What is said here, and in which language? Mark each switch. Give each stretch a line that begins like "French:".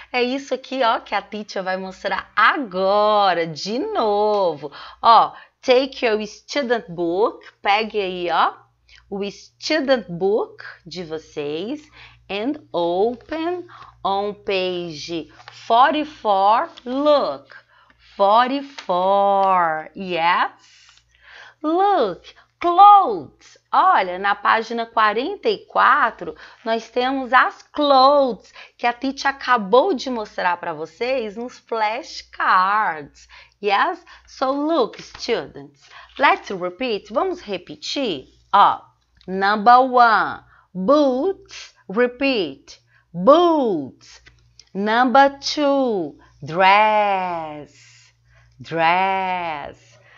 Portuguese: É isso aqui, ó, que a teacher vai mostrar agora, de novo. Ó,
English: take your student book.
Portuguese: Pegue aí, ó. O
English: student book
Portuguese: de vocês
English: and open on page 44. Look, 44. Yes, look, clothes.
Portuguese: Olha, na página 44, nós temos as
English: clothes
Portuguese: que a teacher acabou de mostrar para vocês nos flashcards.
English: Yes, so look, students, let's repeat.
Portuguese: Vamos repetir, ó.
English: Number one, boots, repeat, boots. Number two, dress, dress.